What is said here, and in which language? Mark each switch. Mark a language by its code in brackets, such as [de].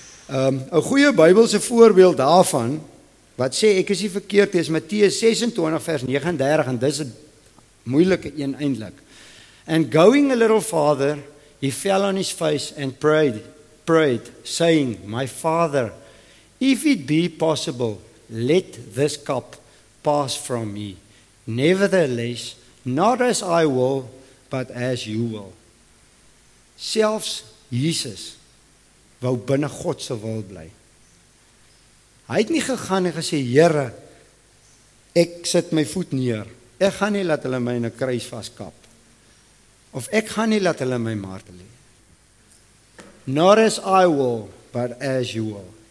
[af] 'N goeie Bybelse voorbeeld daarvan, wat sê, ek is nie verkeerd, is Matteus 26 vers 39, en dis een moeilike een eindelijk. [en] And going a little farther, he fell on his face and prayed, saying, my father, if it be possible, let this cup pass from me. Nevertheless, not as I will, but as you will. [af] Selfs Jesus wou binne God se wil bly. Hy het nie gegaan en gesê, Here, ek sit my voet neer. Ek gaan nie laat hulle my in 'n kruis vaskap. Of ek gaan nie laat hulle my martel nie. [en] Not as I will, but as you will.